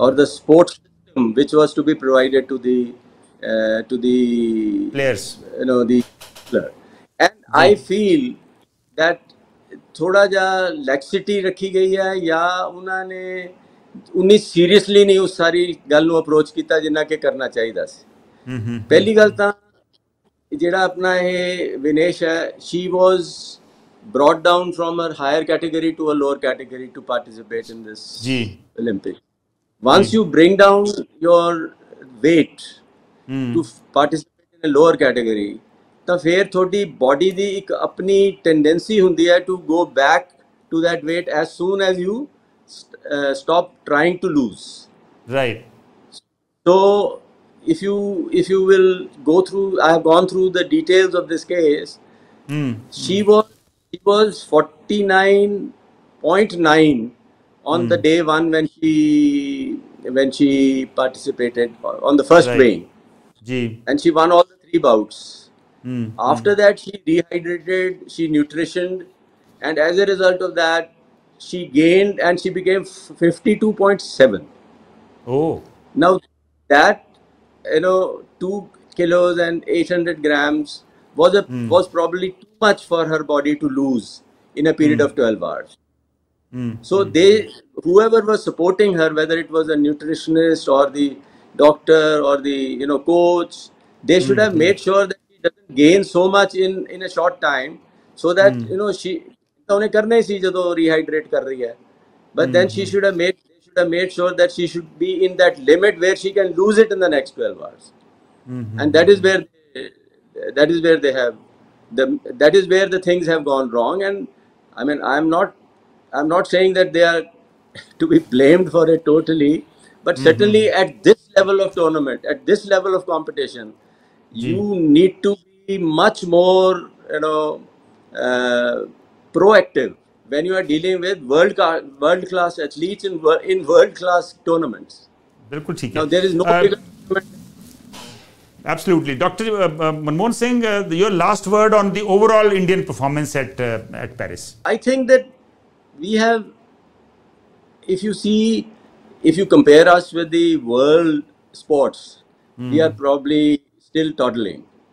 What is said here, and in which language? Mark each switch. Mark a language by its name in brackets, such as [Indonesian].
[English] or the sports system which was to be provided to the players, you know, the player. And I feel that [Hindi] thoda ja laxity rakhi gayi hai ya unhone [Punjabi] ਉਨੀ seriously ਨਹੀਂ ਉਸ ਸਾਰੀ ਗੱਲ ਨੂੰ approach ਕੀਤਾ ਜਿੰਨਾ ਕਿ ਕਰਨਾ ਚਾਹੀਦਾ ਸੀ। ਪਹਿਲੀ ਗੱਲ ਤਾਂ ਜਿਹੜਾ ਆਪਣਾ ਇਹ ਵਿਨੇਸ਼ ਹੈ, [English] She was brought down from her higher category to a lower category to participate in this Olympic. Once you bring down your weight to participate in lower category, [Punjabi] ਤਾਂ ਫਿਰ ਤੁਹਾਡੀ ਬਾਡੀ ਦੀ ਇੱਕ ਆਪਣੀ ਟੈਂਡੈਂਸੀ ਹੁੰਦੀ ਹੈ [English] To go back to that weight as soon as you stop trying to lose, right? So if you will go through, I have gone through the details of this case. She was 49.9 on the day one when she participated on the first weighing. And she won all the three bouts. After that, she dehydrated, she nutritioned, and as a result of that, she gained and she became 52.7. Now that, you know, 2 kilos and 800 grams was a was probably too much for her body to lose in a period of 12 hours. They, whoever was supporting her, whether it was a nutritionist or the doctor or the, you know, coach, they should have made sure that she doesn't gain so much in a short time, so that you know, she [Punjabi] ਉਹਨੇ ਕਰਨਾ ਹੀ ਸੀ ਜਦੋਂ ਰੀਹਾਈਡਰੇਟ ਕਰ ਰਹੀ ਹੈ [English] But then she should have made they should have made sure that she should be in that limit where she can lose it in the next 12 hours and that is where they have the that is where the things have gone wrong and I mean I am not saying that they are to be blamed for it totally but certainly at this level of tournament at this level of competition you need to be much more you know proactive when you are dealing with world class athletes in world class tournaments. [Hindi] Bilkul theek [English] hai. Now there is no absolutely Dr. Manmohan Singh, your last word on the overall Indian performance at Paris. I think that we have, if you compare us with the world sports, we are probably still toddling.